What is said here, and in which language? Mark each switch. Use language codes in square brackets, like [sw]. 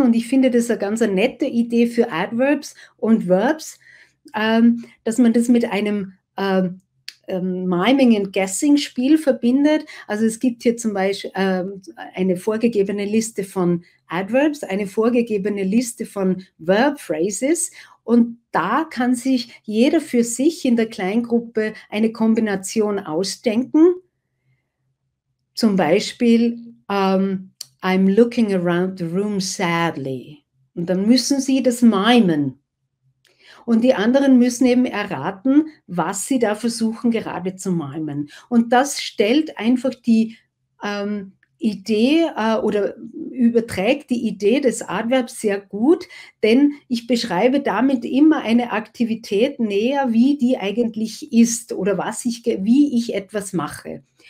[de] Und ich finde das eine ganz nette Idee für Adverbs und Verbs, dass man das mit einem Miming and Guessing Spiel verbindet. Also es gibt hier zum Beispiel eine vorgegebene Liste von Adverbs, eine vorgegebene Liste von Verb Phrases und da kann sich jeder für sich in der Kleingruppe eine Kombination ausdenken. Zum Beispiel [en] I'm looking around the room sadly. [de] Und dann müssen sie das mimen. Und die anderen müssen eben erraten, was sie da versuchen, gerade zu mimen. Und das stellt einfach die Idee oder überträgt die Idee des Adverbs sehr gut, denn ich beschreibe damit immer eine Aktivität näher, wie die eigentlich ist oder wie ich etwas mache.